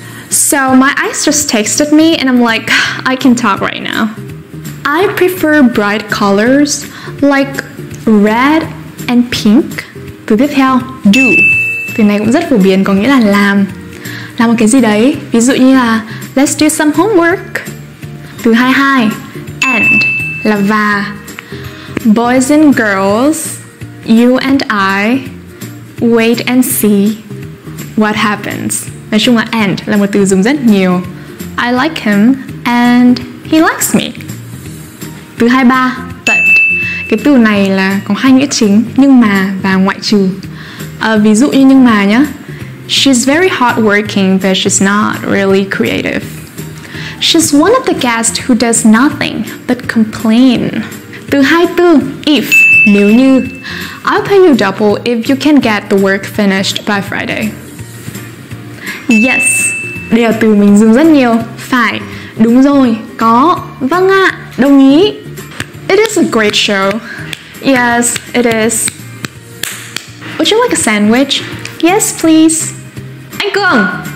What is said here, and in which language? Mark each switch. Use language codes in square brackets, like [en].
[en] So my eyes just texted me and I'm like, I can talk right now. I prefer bright colors like red and pink. [vi] Từ tiếp theo, do. Từ này cũng rất phổ biến, có nghĩa là làm. Làm một cái gì đấy, ví dụ như là [en] let's do some homework. [vi] Từ 22, and, là và. [en] Boys and girls, you and I, wait and see what happens. [vi] Nói chung là and là một từ dùng rất nhiều. [en] I like him and he likes me. [vi] Từ 23, but. Cái từ này là có hai nghĩa chính, nhưng mà và ngoại trừ. Ví dụ như nhưng mà nhá. [en] She's very hardworking, but she's not really creative. She's one of the guests who does nothing but complain. [vi] Từ 24, [en] if, [vi] nếu như. [en] I'll pay you double if you can get the work finished by Friday. [vi] Yes, đây là từ mình dùng rất nhiều. Phải, đúng rồi, có, vâng ạ, đồng ý. [en] It is a great show. Yes, it is. Would you like a sandwich? Yes, please. Anh Cường.